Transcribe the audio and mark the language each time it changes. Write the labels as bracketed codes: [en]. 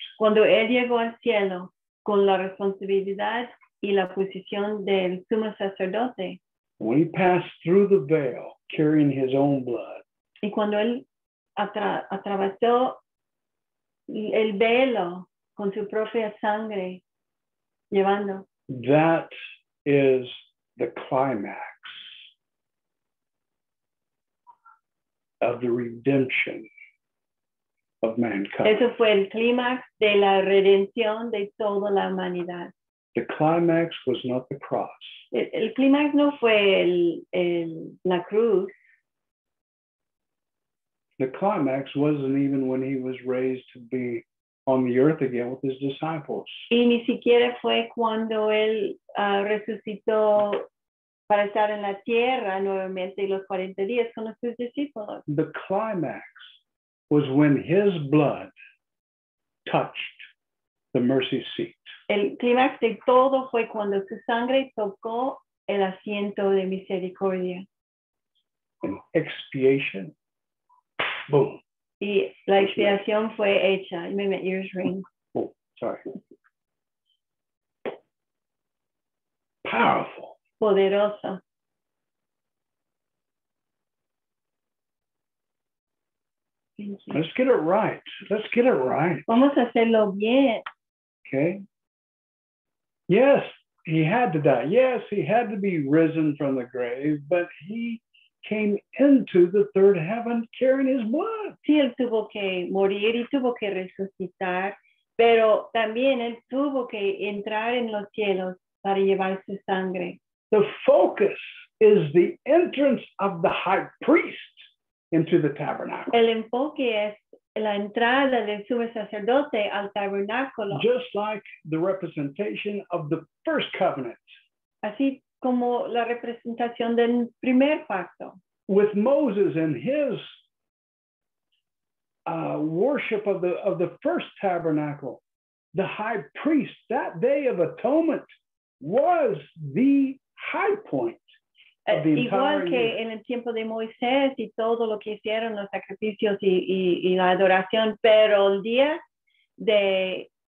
[es] Cuando él llegó al cielo con la responsabilidad y la posición del sumo sacerdote. [en] When he passed through the veil carrying his own blood. [es] Y cuando él atravesó el velo con su propia sangre llevando. [en] That is the climax of the redemption of mankind. [es] Eso fue el clímax de la redención de toda la humanidad. [en] The climax was not the cross. [es] El clímax no fue la cruz. [en] The climax wasn't even when he was raised to be on the earth again with his disciples. [es] Y ni siquiera fue cuando él resucitó para estar en la tierra nuevamente los 40 días con sus discípulos. [en] The climax was when his blood touched the mercy seat. [es] El clímax de todo fue cuando su sangre tocó el asiento de misericordia. [en] And expiation, boom. [es] Y la expiación fue hecha. [en] My ears ring. Oh, sorry. Powerful. [es] Poderosa. [en] Let's get it right. Let's get it right. [es] Vamos a hacerlo bien. [en] Okay. Yes, he had to die. Yes, he had to be risen from the grave, but he came into the third heaven carrying his blood. [es] Sí, él tuvo que morir y tuvo que resucitar, pero también él tuvo que entrar en los cielos para llevar su sangre. [en] The focus is the entrance of the high priest into the tabernacle. [es] El enfoque es la entrada del sumo sacerdote al tabernáculo. [en] Just like the representation of the first covenant. [es] Así como la representación del primer pacto. [en] With Moses and his worship of the first tabernacle, the high priest, that day of atonement was the high point of the entire [es] igual que [en] year. [es] En el tiempo de Moisés y todo lo que hicieron los sacrificios y la adoración, pero el día de